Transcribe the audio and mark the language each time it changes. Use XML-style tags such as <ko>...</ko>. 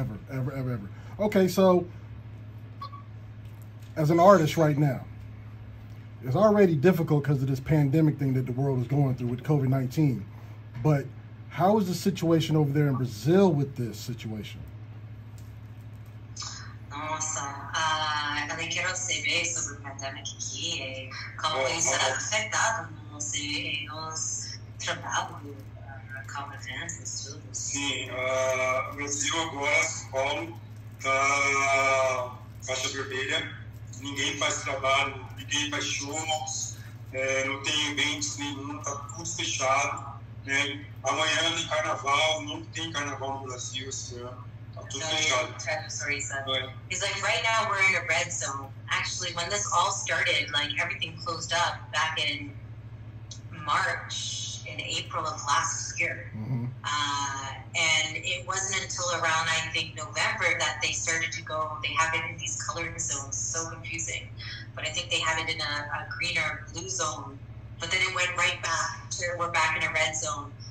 <en>ever. Okay, so as an artist right now, it's already difficult because of this pandemic thing that the world is going through with COVID-19. But how is the situation over there in Brazil with this situation?</en> <pt>Nossa, nem quero saber sobre o pandemic aqui, como isso é afetado nos trabalhos, como eventos, tudo. Sim, Brasil agora, São Paulo, está faixa vermelha. Ninguém faz trabalho, ninguém faz shows, não tem eventos nenhum, está tudo fechado. Né? Amanhã tem carnaval, não tem carnaval no Brasil esse ano, está tudo fechado.</pt> <en>He's like, right now we're in a red zone. Actually, when this all started, like everything closed up back in March, in April of last year. Mm-hmm. And it wasn't until around, I think, November that they started to go, they have it in these colored zones, so confusing, but I think they have it in a green or blue zone, but then it went right back to, we're back in a red zone.</en>